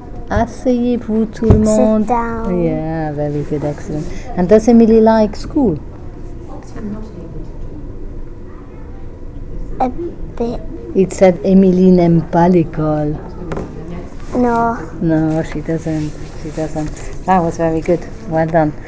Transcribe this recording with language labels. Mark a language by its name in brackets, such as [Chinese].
[French] Asseyez-vous tout le monde. [English] Sit down. Yeah, very good, excellent. And does Emily like school? A bit. It said Emily [French] n'aime pas l'école. [English] No. No, she doesn't. That was very good. Well done.